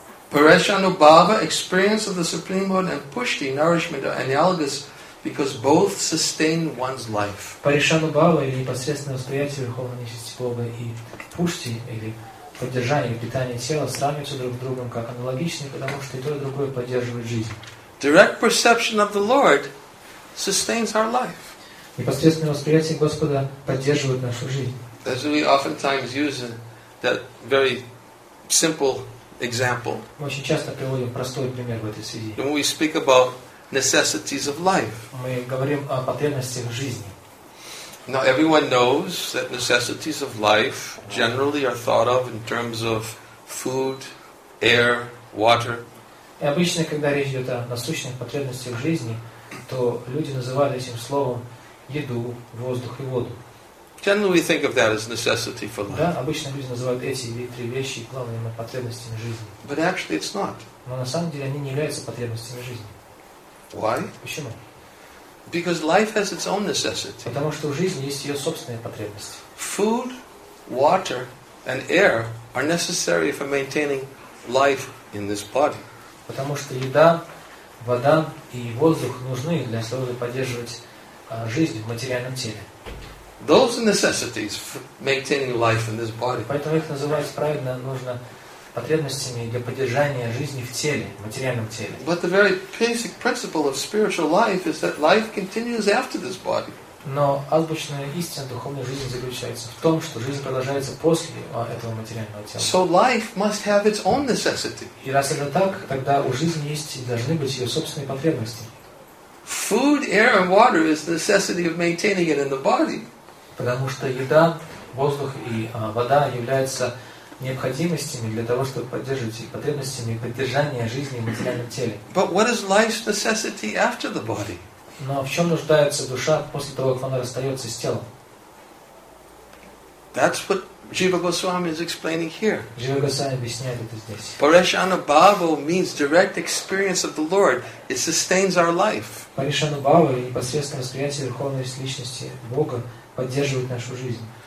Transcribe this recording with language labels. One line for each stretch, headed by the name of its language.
English: Parashanubhava, experience of the Supreme Lord and Pushti, nourishment are analogous because both sustain one's life.
Russian: Parashanubhava, или непосредственное восприятие Верховной Личности Бога и Пушти, или поддержание, питание тела, сравниваются друг с другом как аналогичны, потому что и то, и другое поддерживает жизнь.
English: Direct perception of the Lord sustains our life.
Russian: Непосредственное восприятие Господа поддерживает нашу жизнь.
English: As we oftentimes use that very simple example.
Russian: Мы очень часто приводим простой пример в этой связи.
English: When we speak about necessities of life.
Russian: Мы говорим о потребностях жизни.
English: Now everyone knows that necessities of life generally are thought of in terms of food, air, water.
Russian: И обычно, когда речь идет о насущных потребностях жизни, то люди называли этим словом еду, воздух и воду.
English: Generally, we think of that as necessity for life.
Russian: Да, обычно люди называют эти три вещи главными потребностями жизни.
English: But actually, it's not.
Russian: Но на самом деле они не являются потребностями жизни.
English: Why?
Russian: Почему?
English: Because life has its own necessity.
Russian: Потому что у жизни есть ее собственные потребности.
English: Food, water, and air are necessary for maintaining life in this body.
Russian: Потому что еда, вода и воздух нужны для того, чтобы поддерживать жизнь в материальном теле.
English: Those are necessities for maintaining life in this body.
Russian: Поэтому их называют правильно, нужно потребностями для поддержания жизни в теле, в материальном теле.
English: But the very basic principle of spiritual life is that life continues after this body.
Russian: Но азбучная истина духовной жизни заключается в том, что жизнь продолжается после этого материального тела.
English: So life must have its own necessity.
Russian: И раз это так, тогда у жизни есть и должны быть ее собственные потребности.
English: Food, air, and water is the necessity of maintaining it in the body.
Russian: Потому что еда, воздух и вода являются необходимостями для того, чтобы поддерживать потребностями поддержания жизни в материальном теле.
English: But what is life's necessity after the body?
Russian: Но в чем нуждается душа после того, как она расстается с телом?
English: That's what Jiva Goswami is explaining here.
Russian: Jiva Goswami объясняет это здесь.
English: Parashanubhava means direct experience of the Lord. It sustains our life.
Russian: Parashanubhava, непосредственное восприятие Верховной Личности Бога, поддерживает нашу жизнь.